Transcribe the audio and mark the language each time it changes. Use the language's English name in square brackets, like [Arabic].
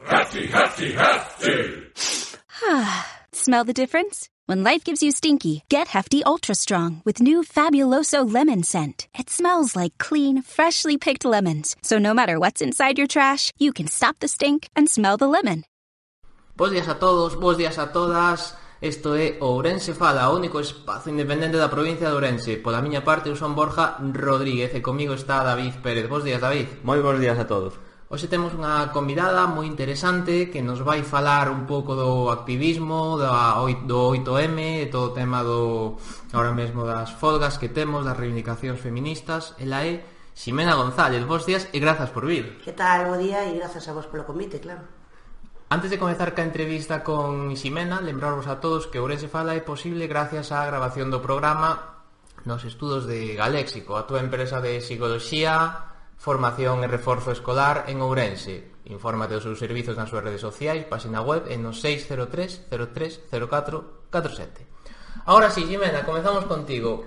[English] Hefty, hefty, hefty! Smell the difference? When life gives you stinky, get hefty, ultra-strong with new Fabuloso lemon scent. It smells like clean, freshly picked lemons. So no matter what's inside your trash, you can stop the stink and smell the lemon. [Spanish] Buenos días a todos, buenos días a todas. [Galician] Esto é Ourense Fala, o único espazo independente da provincia de Ourense. Pola miña parte, eu son Borja Rodríguez e comigo está David Pérez. [Spanish] Buenos días, David. Moi buenos días a todos. [Galician] Hoxe temos unha convidada moi interesante que nos vai falar un pouco do activismo, do 8M, e todo o tema do ahora mesmo das folgas que temos, das reivindicacións feministas. Ela é Ximena González. Buenos días e grazas por vir. Que tal, bo día e grazas a vos polo convite, claro. Antes de comenzar ca entrevista con Ximena, lembrarvos a todos que Ourense Fala é posible gracias á grabación do programa nos estudos de Galéxico, a túa empresa de psicología, formación e reforzo escolar en Ourense. Infórmate dos seus servizos nas súas redes sociais, páxina web en o 603-03-04-47. [Spanish] Ahora sí, Ximena, comenzamos contigo.